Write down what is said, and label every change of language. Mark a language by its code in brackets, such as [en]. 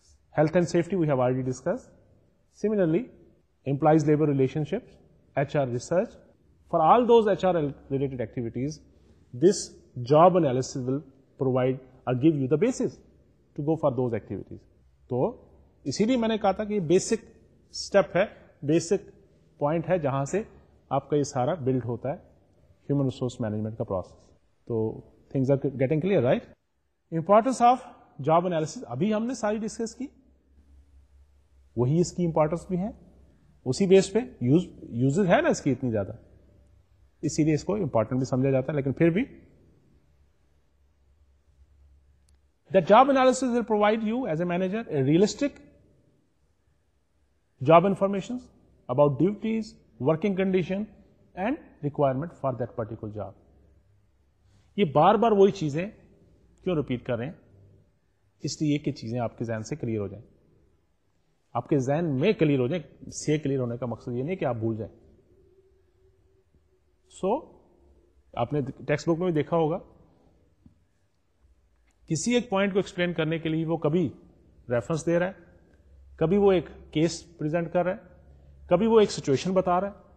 [en] Health and safety, we have already discussed. Similarly, employees-labor relationships, HR research, for all those HR-related activities, this job analysis will provide or give you the basis to go for those activities. [ur] So, اسی لیے میں نے کہا تھا کہ یہ basic step ہے, basic point ہے جہاں سے آپ کا یہ سارا بلڈ ہوتا ہے ہیومن ریسورس مینجمنٹ کا پروسیس. تو [en] Things are getting clear right. [ur] Importance of job analysis ابھی ہم نے ساری ڈسکس کی, وہی اس کی امپورٹینس بھی ہے, اسی بیس پہ یوزز ہے نا اس کی اتنی زیادہ, اسی لیے اس کو امپورٹنٹ بھی سمجھا جاتا ہے. لیکن پھر بھی [en] The job analysis will provide you as a manager a realistic job information about duties, working condition and requirement for that particular job. [ur] یہ بار بار وہی چیزیں کیوں ریپیٹ کر رہے ہیں, اس لیے کہ چیزیں آپ کے ذہن سے کلیئر ہو جائیں, آپ کے ذہن میں کلیئر ہو جائیں. سے کلیئر ہونے کا مقصد یہ نہیں کہ آپ بھول جائیں. سو آپ نے ٹیکسٹ بک میں بھی دیکھا ہوگا, کسی ایک پوائنٹ کو ایکسپلین کرنے کے لیے وہ کبھی ریفرنس دے رہا ہے, کبھی وہ ایک کیس پریزنٹ کر رہا ہے, کبھی وہ ایک سچویشن بتا رہا ہے.